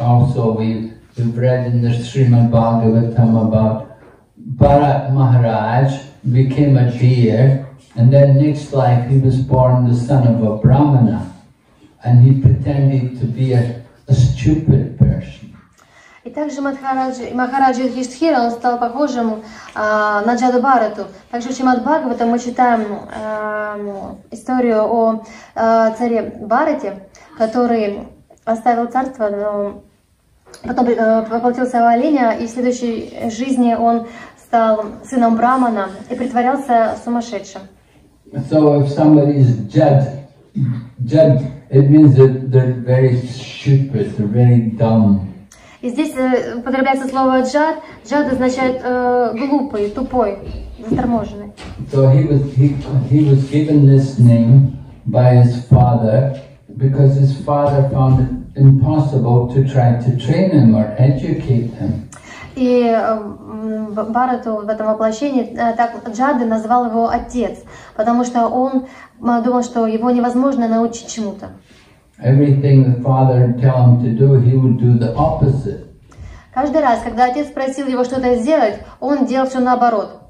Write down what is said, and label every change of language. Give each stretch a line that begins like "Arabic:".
English: Also we've read in the Srimad Bhagavatam about Bharat Maharaj became a deer, and then next life he was born the son of a brahmana, and he pretended to be a stupid person.
Russian: И также Махараджа Юдхиштхира стал похожим на Джаду Бхарату. Также в Шримад Бхагаватам мы читаем историю о царе Бхарате, который оставил царство, но потом воплотился в оленя, и в следующей жизни он стал сыном брахмана и притворялся сумасшедшим.
English: So if somebody is judged, it means that they're very stupid, they're very dumb.
Russian: И здесь употребляется слово джад. Джад означает глупый, тупой, заторможенный.
English: So he was given this name by his father because his father found it impossible to try to train him or educate him.
Russian: И Бхарату в этом воплощении так Джады назвал его отец, потому что он думал, что его невозможно научить чему-то.
English: Everything the father tell him to do, he would do the opposite.
Russian: Каждый раз, когда отец просил его что-то сделать, он делал все наоборот.